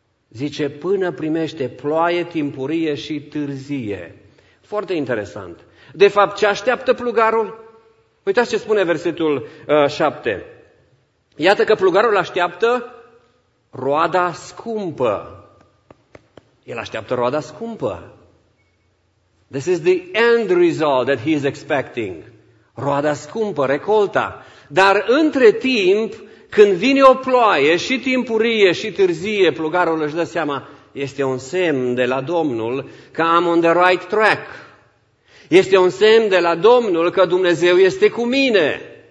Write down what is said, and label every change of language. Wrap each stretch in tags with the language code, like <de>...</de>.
<ro>Zice, până primește ploaie, timpurie și târzie. Foarte interesant. De fapt, ce așteaptă plugarul? Uitați ce spune versetul 7. Iată că plugarul așteaptă roada scumpă. El așteaptă roada scumpă.</ro> <en>This is the end result that he is expecting.</en> <ro>Roada scumpă, recolta. Dar între timp, când vine o ploaie și timpurie și târzie, plugarul își dă seama, este un semn de la Domnul că am</ro> <en>on the right track.</en> <ro>Este un semn de la Domnul că Dumnezeu este cu mine.</ro>